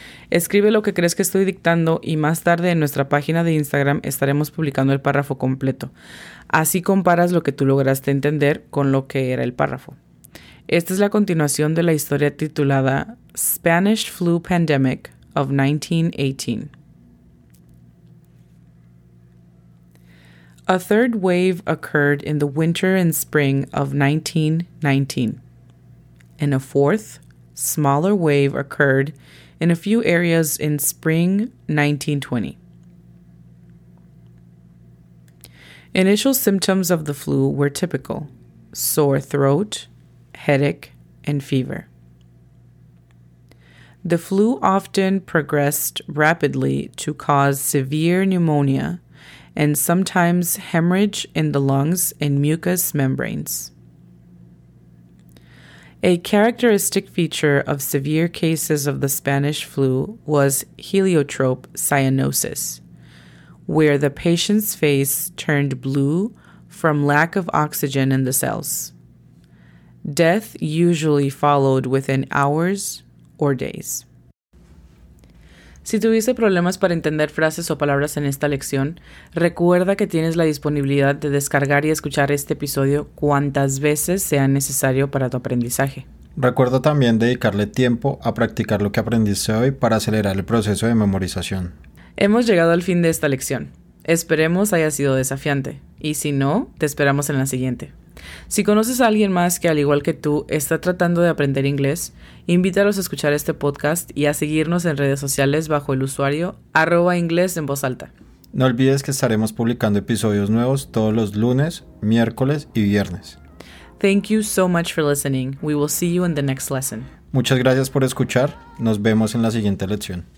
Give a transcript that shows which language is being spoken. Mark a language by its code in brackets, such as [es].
[es] Escribe lo que crees que estoy dictando y más tarde en nuestra página de Instagram estaremos publicando el párrafo completo. Así comparas lo que tú lograste entender con lo que era el párrafo. Esta es la continuación de la historia titulada Spanish Flu Pandemic of 1918. [en] A third wave occurred in the winter and spring of 1919. And a fourth, smaller wave occurred in a few areas in spring 1920. Initial symptoms of the flu were typical: sore throat, headache, and fever. The flu often progressed rapidly to cause severe pneumonia and sometimes hemorrhage in the lungs and mucous membranes. A characteristic feature of severe cases of the Spanish flu was heliotrope cyanosis, where the patient's face turned blue from lack of oxygen in the cells. Death usually followed within hours or days. [es] Si tuviste problemas para entender frases o palabras en esta lección, recuerda que tienes la disponibilidad de descargar y escuchar este episodio cuantas veces sea necesario para tu aprendizaje. Recuerda también dedicarle tiempo a practicar lo que aprendiste hoy para acelerar el proceso de memorización. Hemos llegado al fin de esta lección. Esperemos haya sido desafiante. Y si no, te esperamos en la siguiente. Si conoces a alguien más que, al igual que tú, está tratando de aprender inglés, invítalos a escuchar este podcast y a seguirnos en redes sociales bajo el usuario @inglesenvozalta. No olvides que estaremos publicando episodios nuevos todos los lunes, miércoles y viernes. [en] Thank you so much for listening. We will see you in the next lesson. [es] Muchas gracias por escuchar. Nos vemos en la siguiente lección.